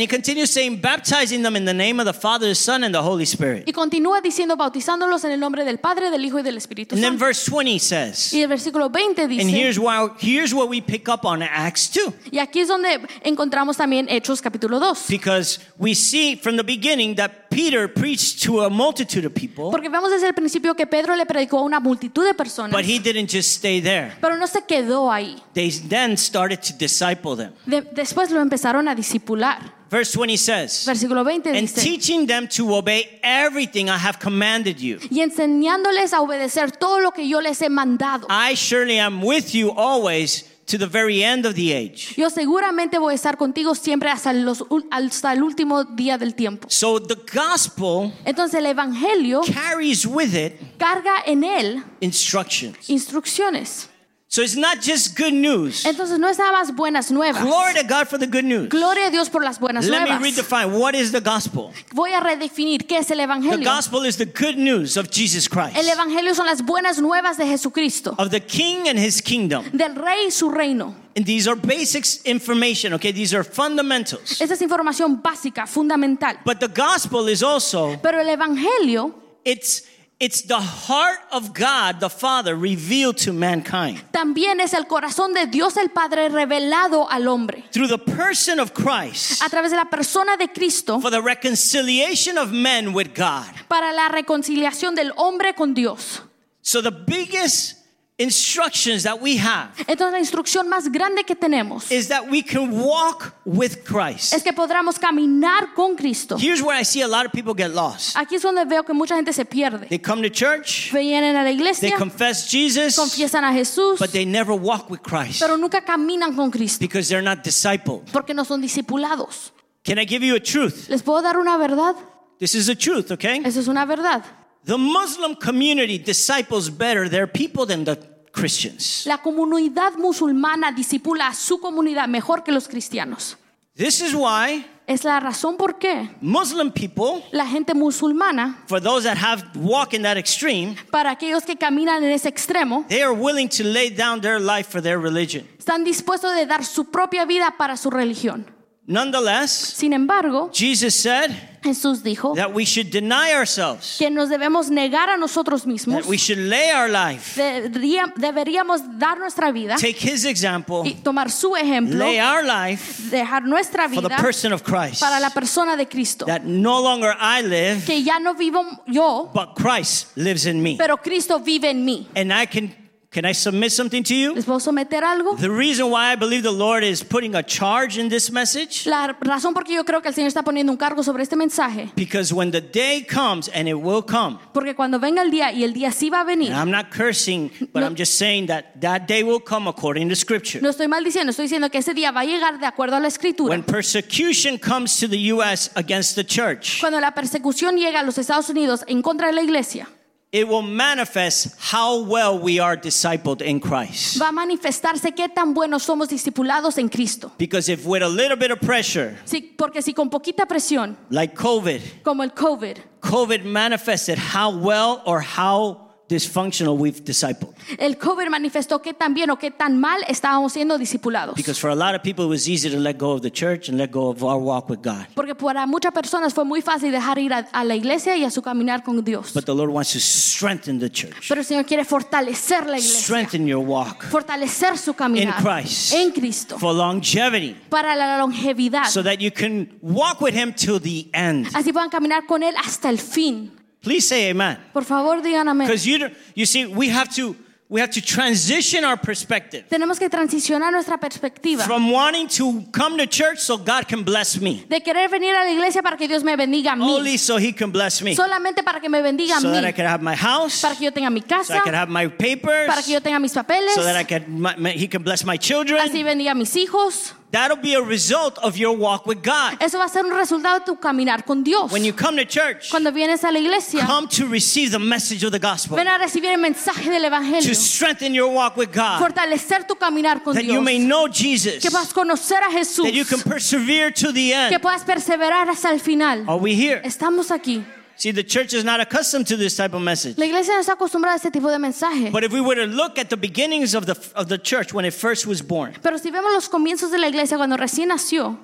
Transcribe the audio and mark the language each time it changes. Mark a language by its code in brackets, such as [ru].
[en] And he continues saying, baptizing them in the name of the Father, the Son, and the Holy Spirit. [es] Y continúa diciendo, bautizándolos en el nombre del Padre, del Hijo, y del Espíritu Santo. [en] And then verse 20 says, [es] y el versículo 20 dice, [en] and here's what we pick up on Acts 2. [es] Aquí es donde encontramos también Hechos capítulo 2. [en] Because we see from the beginning that Peter preached to a multitude of people. [es] Porque vemos desde el principio que Pedro le predicó a una multitud de personas. [en] But he didn't just stay there. [es] Pero no se quedó ahí. [en] They then started to disciple them. [es] Después lo empezaron a discipular. [en] Verse 20 says, [es] Versículo 20 dice, [en] and teaching them to obey everything I have commanded you. [es] Y enseñándoles a obedecer todo lo que yo les he mandado. [en] I surely am with you always to the very end of the age. [es] Yo seguramente voy a estar contigo siempre hasta el último día del tiempo. [en] So the gospel, [es] entonces el evangelio, [en] carries with it, [es] carga en él, [en] instructions. [es] Instrucciones. [en] So it's not just good news. [es] Entonces, no es nada más buenas nuevas. [en] Glory to God for the good news. [es] Gloria a Dios por las buenas [en] Let [es] nuevas. [en] Me redefine. What is the gospel? [es] Voy a redefinir qué es el evangelio. [en] The gospel is the good news of Jesus Christ. [es] El evangelio son las buenas nuevas de Jesucristo. [en] Of the king and his kingdom. [es] Del rey y su reino. [en] And these are basic information, okay? These are fundamentals. [es] Esa es información básica, fundamental. [en] But the gospel is also, [es] pero el evangelio, [en] It's the heart of God, the Father, revealed to mankind. [es] También es el corazón de Dios el Padre revelado al hombre. [en] Through the person of Christ. [es] A través de la persona de Cristo. [en] For the reconciliation of men with God. [es] Para la reconciliación del hombre con Dios. [en] So the biggest instructions that we have. [es] Entonces la instrucción más grande que tenemos. [en] Is that we can walk with Christ. [es] Es que podamos caminar con Cristo. [en] Here's where I see a lot of people get lost. [es] Aquí es donde veo que mucha gente se pierde. [en] They come to church. [es] Vienen a la iglesia. [en] They confess Jesus. [es] Confiesan a Jesús. [en] But they never walk with Christ. [es] Pero nunca caminan con Cristo. [en] Because they're not discipled. [es] Porque no son discipulados. [en] Can I give you a truth? [es] Les puedo dar una verdad. [en] This is the truth, okay? [es] Eso es una verdad. [en] The Muslim community disciples better their people than the Christians. [es] La comunidad musulmana discipula a su comunidad mejor que los cristianos. [en] This is why. [es] Es la razón por qué. [en] Muslim people. [es] La gente musulmana. [en] For those that have walked in that extreme. [es] Para aquellos que caminan en ese extremo. [en] They are willing to lay down their life for their religion. [es] Están dispuestos de dar su propia vida para su religión. [en] Nonetheless, [es] sin embargo, [en] Jesus said, [es] Jesús dijo, [en] that we should deny ourselves, [es] que nos debemos negar a nosotros mismos, [en] that we should lay our life, [es] deberíamos dar nuestra vida, [en] take his example, [es] y tomar su ejemplo, [en] lay our life, [es] dejar nuestra vida, [en] for the person of Christ, [es] para la persona de Cristo, [en] that no longer I live, [es] que ya no vivo yo, [en] but Christ lives in me, [es] pero Cristo vive en mí. [en] And I can I submit something to you? [es] ¿Les puedo someter algo? [en] The reason why I believe the Lord is putting a charge in this message. [es] La razón porque yo creo que el Señor está poniendo un cargo sobre este mensaje. [en] Because when the day comes, and it will come. [es] Porque cuando venga el día y el día sí va a venir. [en] I'm not cursing, but no, I'm just saying that day will come according to Scripture. [es] No estoy maldiciendo, estoy diciendo que ese día va a llegar de acuerdo a la Escritura. [en] When persecution comes to the U.S. against the church. [es] Cuando la persecución llega a los Estados Unidos en contra de la Iglesia. [en] It will manifest how well we are discipled in Christ. [es] Va a manifestarse qué tan buenos somos discipulados en Cristo. [en] Because if with a little bit of pressure, [es] si, porque si con poquita presión, [en] like COVID, [es] como el COVID, [en] COVID manifested how well or how dysfunctional we've discipled. [es] El COVID manifestó qué tan bien o qué tan mal estábamos siendo discipulados. [en] Because for a lot of people it was easy to let go of the church and let go of our walk with God. [es] Porque para muchas personas fue muy fácil dejar ir a la iglesia y a su caminar con Dios. [en] But the Lord wants to strengthen the church. [es] Pero el Señor quiere fortalecer la iglesia. [en] Strengthen your walk. [es] Fortalecer su caminar. [en] In Christ. [es] En Cristo. [en] For longevity. [es] Para la longevidad. [en] So that you can walk with him till the end. [es] Así puedan caminar con él hasta el fin. [en] Please say amen. [es] Por favor, digan amén. [en] Because you see, we have to transition our perspective. [es] Tenemos que transicionar nuestra perspectiva. [en] From wanting to come to church so God can bless me. [es] De querer venir a la iglesia para que Dios me bendiga a mí. [en] Only so He can bless me. [es] Solamente para que me bendiga a mí. [en] So that I can have my house. [es] Para que yo tenga mi casa. [en] So I can have my papers. [es] Para que yo tenga mis papeles. [en] So that I can He can bless my children. [es] Así bendiga a mis hijos. [en] That'll be a result of your walk with God. [es] Eso va a ser un resultado de tu caminar con Dios. [en] When you come to church, [es] cuando vienes a la iglesia, [en] come to receive the message of the gospel. [es] Ven a recibir el mensaje del evangelio. [en] To strengthen your walk with God. [es] Fortalecer tu caminar con [en] that [es] Dios. [en] You may know Jesus. [es] Que puedas conocer a Jesús. [en] That you can persevere to the end. [es] Que puedas perseverar hasta el final. [en] Are we here? [es] Estamos aquí. [en] See, the church is not accustomed to this type of message. [es] La iglesia no está acostumbrada a este tipo de mensaje. [en] But if we were to look at the beginnings of the church when it first was born, [es] pero si vemos los comienzos de la iglesia cuando recién nació,